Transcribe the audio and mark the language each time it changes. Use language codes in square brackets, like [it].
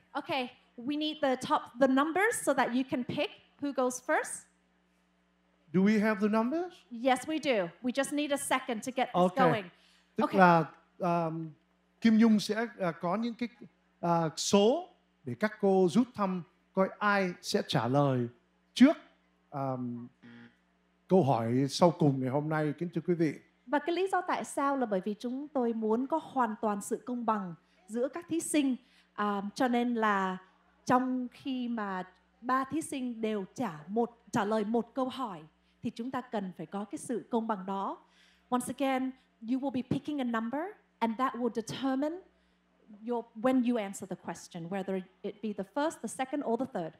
[en] Okay, we need the top, the numbers so that you can pick who goes first. Do we have the numbers? Yes, we do. We just need a second to get this okay. going. [vi] Tức [en] okay. [vi] là Kim Nhung sẽ có những cái số để các cô rút thăm coi ai sẽ trả lời trước câu hỏi sau cùng ngày hôm nay, kính thưa quý vị. Và cái lý do tại sao là bởi vì chúng tôi muốn có hoàn toàn sự công bằng giữa các thí sinh, cho nên là trong khi mà ba thí sinh đều trả lời một câu hỏi thì chúng ta cần phải có cái sự công bằng đó. [en] Once again, you will be picking a number and that will determine when you answer the question, whether it be the first, the second, or the third.